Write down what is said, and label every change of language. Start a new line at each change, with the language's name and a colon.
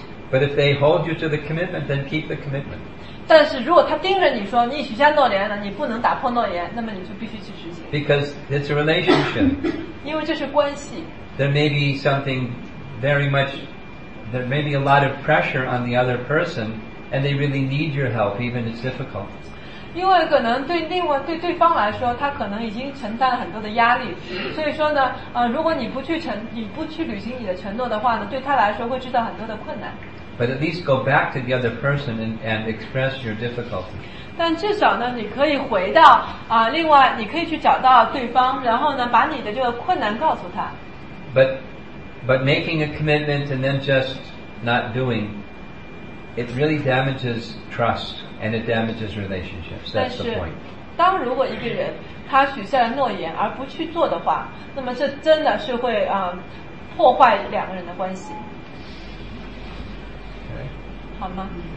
English: But if they hold you to the commitment, then keep the commitment.
Chinese: 但是如果他盯着你说你许下诺言了，你不能打破诺言，那么你就必须去执行。
English: Because it's a relationship.
Chinese: 因为这是关系。
English: There may be something very much, there may be a lot of pressure on the other person, and they really need your help, even if it's difficult.
Chinese: 因为可能对对方来说，他可能已经承担了很多的压力，所以说呢，如果你不去履行你的承诺的话呢，对他来说会制造很多的困难。
English: But at least go back to the other person and express your difficulty.
Chinese: 但至少呢，你可以回到另外你可以去找到对方，然后呢，把你的这个困难告诉他。
English: But making a commitment and then just not doing, it really damages trust. And it damages relationships. That's the point.
Chinese: 当如果一个人他许下了诺言而不去做的话，那么这真的是会破坏两个人的关系。
English: Okay.
Chinese: 好吗？